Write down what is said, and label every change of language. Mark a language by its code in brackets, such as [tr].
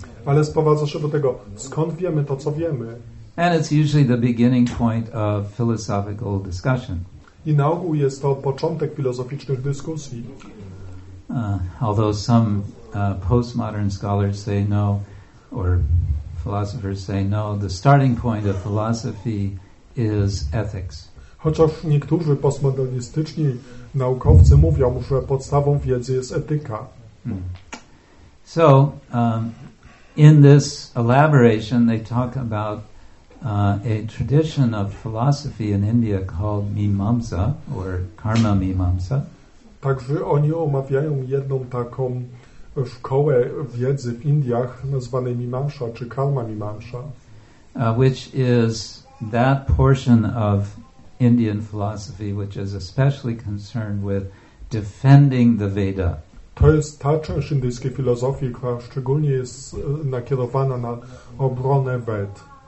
[pl] Ale sprowadza się do tego, skąd wiemy to, co wiemy. [en] And it's usually the beginning point of philosophical discussion. [pl] I na ogół jest to początek filozoficznych dyskusji. [en] Although some postmodern scholars say no, or philosophers say no, the starting point of philosophy is ethics. [pl] Chociaż niektórzy postmodernistyczni naukowcy mówią, że podstawą wiedzy jest etyka. [en] So, in this elaboration they talk about a tradition of philosophy in India called Mimamsa or Karma Mimamsa. [pl] Także oni omawiają jedną taką szkołę wiedzy w Indiach nazwanej Mimamsa czy Karma Mimamsa, [en] which is that portion of Indian philosophy which is especially concerned with defending the Veda. [pl] To jest ta część indyjskiej filozofii, która szczególnie jest nakierowana na obronę Ved.